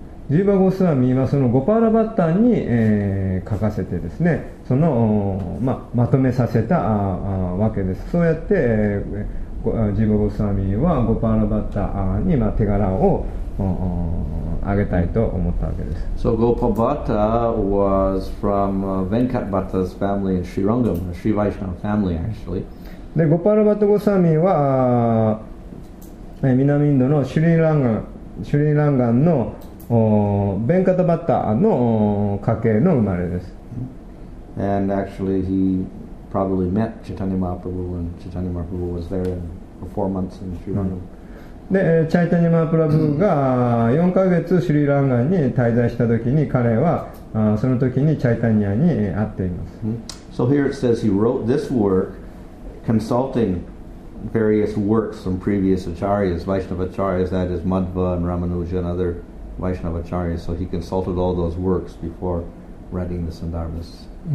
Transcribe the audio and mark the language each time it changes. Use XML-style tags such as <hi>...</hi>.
<ja>ジーバゴスワミはそのゴパラバッタに、書かせてですね、その、まあ、まとめさせたわけです。そうやって、ジーバゴスワミはゴパラバッタに、まあ、手柄をあげたいと思ったわけです。</ja> <en>So Gopal Bhatta was from Venkat Bhatta's family in Sri Rangam, a Sri Vaishnava family actually.</en> <ja>で、ゴパラバッタゴスワミは南インドのシュリランガンのベンカタバッタの家系の生まれです。</ja> <en>And actually he probably met Chaitanya Mahaprabhu when Chaitanya Mahaprabhu was there for 4 months in Sri Rangam.</en> <ja>で、チャイタニマープラブが4ヶ月シュリランガンに滞在した時に彼はその時にチャイタニアに会っています。</ja> <en>So here it says he wrote this work consulting various works from previous acharyas, Vaishnava acharyas, that is Madhva and Ramanuja and other Vaishnava Acharya, so he consulted all those works before writing the Sandarbhas.</en>